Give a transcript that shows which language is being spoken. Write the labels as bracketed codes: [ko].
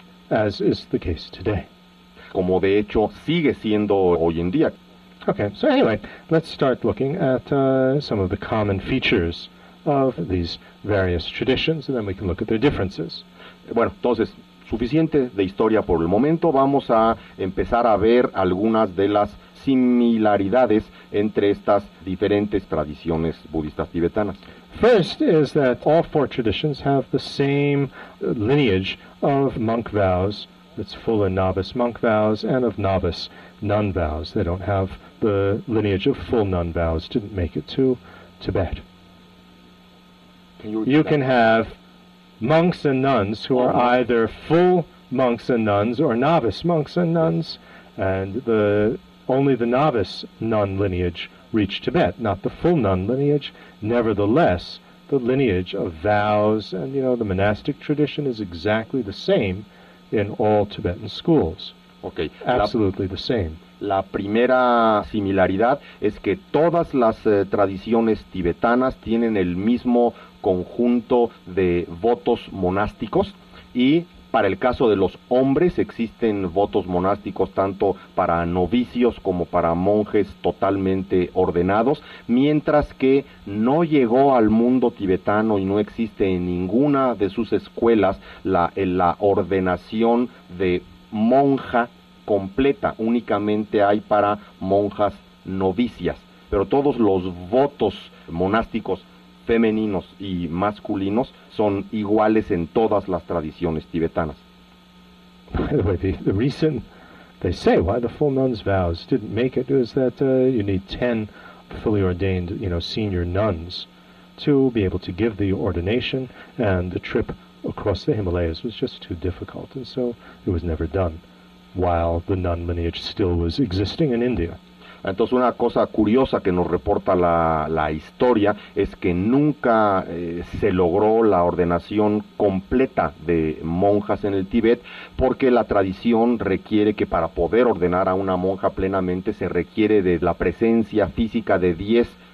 [en] As is the case today. [es] Como de hecho sigue siendo hoy en día. [en] Okay, so anyway, let's start looking at some of the common features of these various traditions and then we can look at their differences. [es] Bueno, entonces, suficiente de historia por el momento, vamos a empezar a ver algunas de las similaridades entre estas diferentes tradiciones budistas tibetanas. [en] First is that all four traditions have the same lineage of monk vows. It's full of novice monk vows and of novice nun vows. They don't have the lineage of full nun vows. Didn't make it to Tibet. Can you can have monks and nuns who are either full monks and nuns or novice monks and nuns, and only the novice nun lineage reached Tibet, not the full nun lineage. Nevertheless, the lineage of vows and, you know, the monastic tradition is exactly the same in all Tibetan schools. Okay. Absolutely the same. [es] La primera similaridad es que todas las tradiciones tibetanas tienen el mismo conjunto de votos monásticos y para el caso de los hombres existen votos monásticos tanto para novicios como para monjes totalmente ordenados, mientras que no llegó al mundo tibetano y no existe en ninguna de sus escuelas la ordenación de monja completa, únicamente hay para monjas novicias, pero todos los votos monásticos femeninos y masculinos son iguales en todas las tradiciones tibetanas. [en] By the way, the reason they say why the full nun's vows didn't make it is that you need 10 fully ordained, you know, senior nuns to be able to give the ordination, and the trip across the Himalayas was just too difficult, and so it was never done while the nun lineage still was existing in India. [es] Entonces una cosa curiosa que nos reporta la historia es que nunca se logró la ordenación completa de monjas en el Tíbet porque la tradición requiere que para poder ordenar a una monja plenamente se requiere de la presencia física de 10